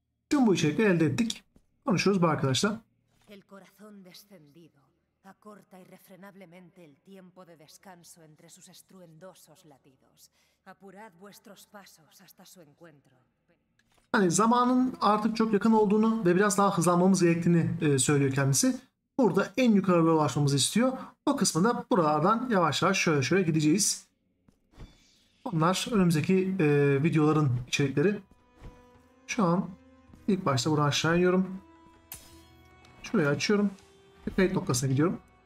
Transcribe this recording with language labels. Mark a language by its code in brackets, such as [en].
[tr] Tüm bu içerikleri elde ettik. Konuşuyoruz bu arkadaşlar. [es] El corazón descendido acorta irrefrenablemente el tiempo de descanso entre sus estruendosos latidos. Apurad vuestros pasos hasta su encuentro. [tr] Yani zamanın artık çok yakın olduğunu ve biraz daha hızlanmamız gerektiğini söylüyor kendisi. Burada en yukarılara ulaşmamızı istiyor. O kısmında buralardan yavaş yavaş şöyle gideceğiz. Bunlar önümüzdeki videoların içerikleri. Şu an ilk başta buradan aşağı iniyorum. Şurayı açıyorum. Kayıt noktasına gidiyorum.